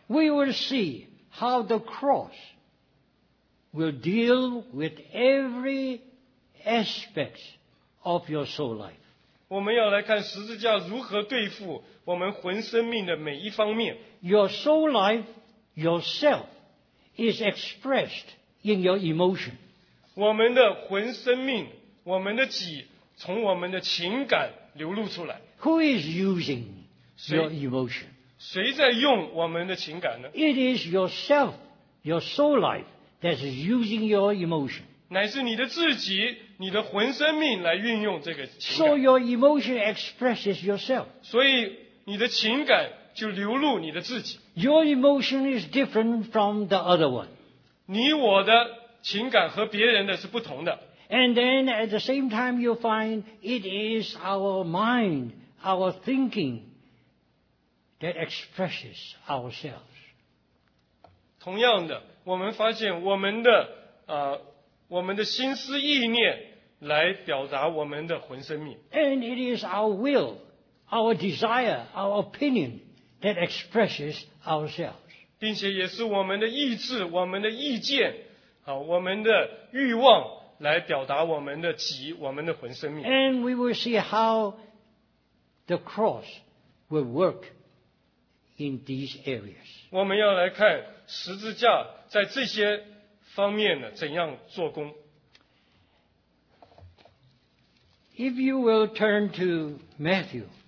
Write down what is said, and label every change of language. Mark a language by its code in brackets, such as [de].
[en] We will see how the cross will deal with every aspect of your soul life. [zh] 我们要来看十字架如何对付我们魂生命的每一方面。 [en] Your soul life, yourself, is expressed in your emotion. [zh] 我们的魂生命，我们的己，从我们的情感流露出来。 [en] Who is using your emotion? [zh] 谁在用我们的情感呢? [en] It is yourself, your soul life, that is using your emotion. [zh] 乃是你的自己，你的魂生命来运用这个情感。 [en] So your emotion expresses yourself. [zh] 所以你的情感就流露你的自己。 [en] Your emotion is different from the other one. [zh] 你我的情感和别人的是不同的。 [en] And then at the same time you find it is our mind, our thinking, that expresses ourselves. [zh] 同样的，我们发现我们的我们的心思意念来表达我们的魂生命。 [en] And it is our will, our desire, our opinion that expresses ourselves. [zh] 并且也是我们的意志，我们的意见，我们的欲望来表达我们的己，我们的魂生命。 [en] And we will see how the cross will work in these areas. [zh] 我们要来看十字架在这些方面呢怎样做工。 [en] If you will turn to Matthew,